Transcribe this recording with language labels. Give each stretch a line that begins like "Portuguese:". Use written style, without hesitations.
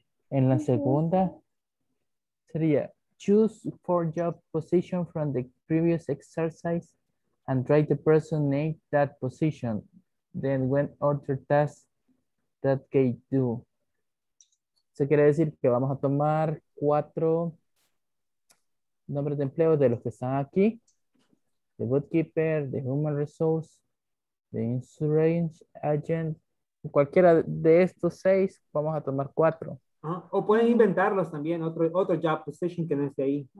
Spanish: En la segunda, sería,
English: choose four job position from the previous exercise and write the person name that position. Then when other tasks that they do.
Spanish: Eso quiere decir que vamos a tomar cuatro nombres de empleo de los que están aquí.
English: The bookkeeper, the human resource, the insurance agent.
Spanish: Cualquiera de estos seis, vamos a tomar cuatro. Uh-huh. O pueden inventarlos también, otro job position que no esté ahí.